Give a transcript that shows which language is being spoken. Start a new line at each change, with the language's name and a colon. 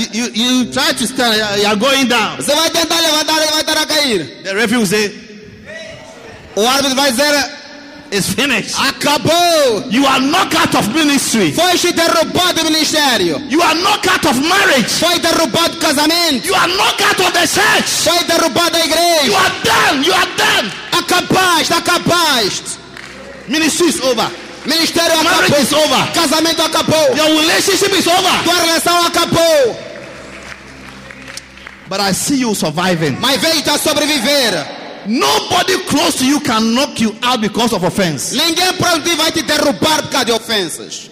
English: You try to stand, you are going down.
Portuguese: Você vai tentar levantar e vai estar a cair.
English: The referee will say,
Portuguese: o árbitro vai dizer,
English: it's finished.
Portuguese: Acabou.
English: You are knocked out of ministry.
Portuguese: Foi derrubado do ministério.
English: You are knocked out of marriage.
Portuguese: Foi derrubado do casamento.
English: You are knocked out of the church.
Portuguese: Foi derrubado da igreja.
English: You are done. You are done.
Portuguese: Acabaste. Acabaste.
English: Ministry is over.
Portuguese: Ministério acabou.
English: Marriage is over.
Portuguese: Casamento acabou.
English: Your relationship is over.
Portuguese: Tua relação acabou.
English: But I see you surviving.
Portuguese: Mas vejo te a sobreviver.
English: Nobody close to you can knock you out because of offense.
Portuguese: Ninguém próximo de vai te derrubar por causa de ofensas.